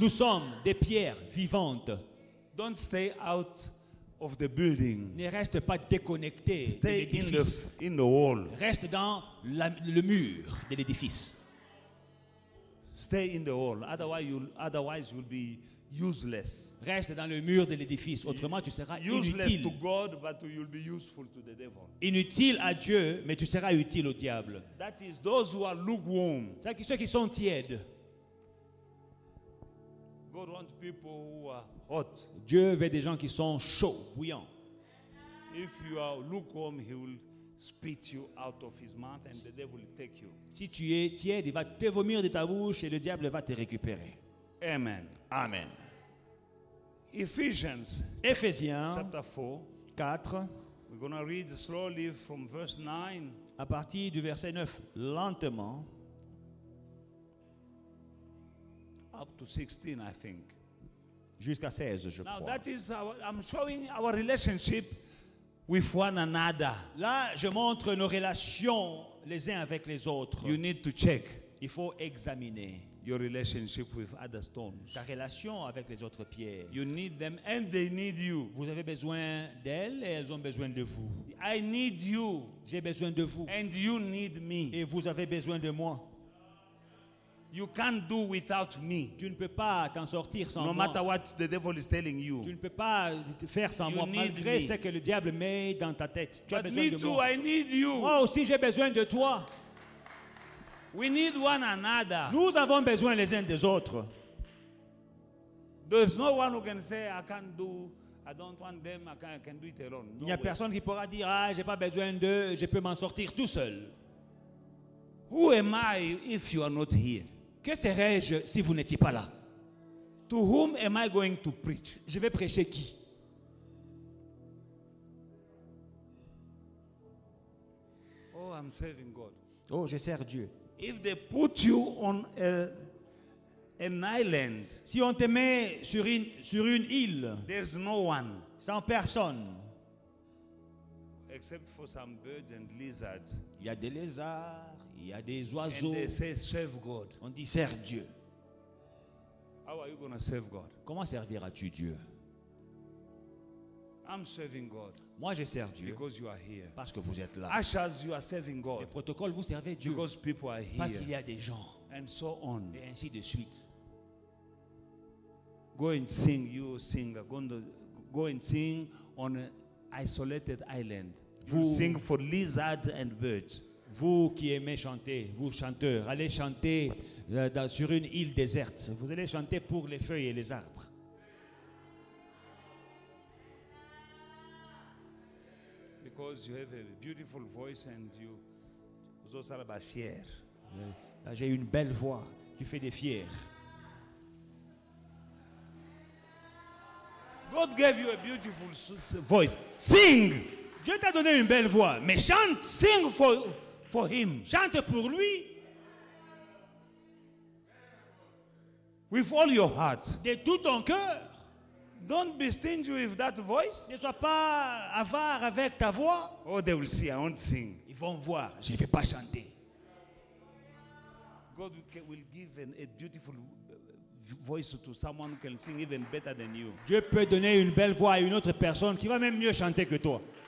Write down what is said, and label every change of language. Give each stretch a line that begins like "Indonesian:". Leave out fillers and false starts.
French: Nous sommes des pierres vivantes.
English: Don't stay out of the building.
French: Ne reste pas déconnecté
English: stay
French: de l'édifice.
English: In the wall.
French: Reste dans la, le mur de l'édifice.
English: Stay in the wall. Otherwise you'll be useless.
French: Reste dans le mur de l'édifice. Autrement, tu seras
English: useless
French: inutile.
English: To God, but you'll be useful to the devil.
French: Inutile à Dieu, mais tu seras utile au diable.
English: That is those who are lukewarm.
French: C'est ceux qui sont tièdes.
English: God wants people who are hot.
French: Dieu veut des gens qui sont chauds, bouillants.
English: If you are lukewarm, he will spit you out of his mouth, and the devil will take you.
French: Si tu es tiède, il va te vomir de ta bouche et le diable va te récupérer.
English: Amen.
French: Amen.
English: Ephesians,
French: Ephésiens,
English: chapter 4. We're going to read slowly from verse 9.
French: À partir du verset 9, lentement.
English: Up to 16, I think.
French: Jusqu'à 16, je
English: Now,
French: crois.
English: Now that is our, I'm showing our relationship with one another.
French: Là, je montre nos relations les uns avec les autres.
English: You need to check.
French: Il faut examiner.
English: Your relationship with other stones.
French: Ta relation avec les autres pierres.
English: You need them and they need you.
French: Vous avez besoin d'elles et elles ont besoin de vous.
English: I need you.
French: J'ai besoin de vous.
English: And you need me.
French: Et vous avez besoin de moi.
English: You can't do without me.
French: Tu ne peux pas t'en sortir sans
English: no
French: moi.
English: No matter what the devil is telling you.
French: Tu ne peux pas faire sans
English: you
French: moi malgré
English: me.
French: Ce que le diable met dans ta tête. Tu
English: But
French: as besoin
English: me
French: de
English: too,
French: moi.
English: I need you.
French: Moi aussi j'ai besoin de toi.
English: We need one another.
French: Nous avons besoin les uns des autres.
English: There's no one who can say I can't do, I don't want them, I can do it alone.
French: Il n'y a personne qui pourra dire ah j'ai pas besoin d'eux, je peux m'en sortir tout seul.
English: Who am I if you are not here?
French: Que serais-je si vous n'étiez pas là?
English: To whom am I going to preach?
French: Je vais prêcher qui?
English: Oh, I'm serving God.
French: Oh, je sers Dieu.
English: If they put you on an island,
French: si on te met sur une île,
English: there's no one,
French: sans personne,
English: except for some birds and lizards.
French: Il y a des lézards, il y a des oiseaux.
English: And they say serve God.
French: On dit serve Dieu.
English: How are you going to serve God?
French: Comment serviras-tu Dieu?
English: I'm serving God.
French: Moi, je sers Dieu.
English: Because you are here.
French: Parce que vous êtes là.
English: Ashes, you are serving God.
French: Les protocoles, vous servez Dieu.
English: Because people are here.
French: Parce qu'il y a des gens.
English: And so on.
French: Et ainsi de suite.
English: Go and sing, you singer. Go and sing on an isolated island.
French: Vous
English: sing for lizards and birds.
French: Vous qui aimez chanter, vous chanteurs, allez chanter sur une île déserte. Vous allez chanter pour les feuilles et les arbres.
English: Because you have a beautiful voice and you,
French: vous êtes là bas fier. J'ai une belle voix. Tu fais des fiers.
English: God gave you a beautiful voice. Sing.
French: Dieu t'a donné une belle voix. Mais chante.
English: Sing for him.
French: Chante pour lui.
English: With all your heart.
French: De tout ton cœur.
English: Don't be stingy with that voice.
French: Ne sois pas avare avec ta voix.
English: Oh, they will see. I won't sing.
French: Ils vont voir. Je ne vais pas chanter.
English: God will give a beautiful voice to someone who can sing even better than you.
French: Dieu peut donner une belle voix à une autre personne qui va même mieux chanter que toi.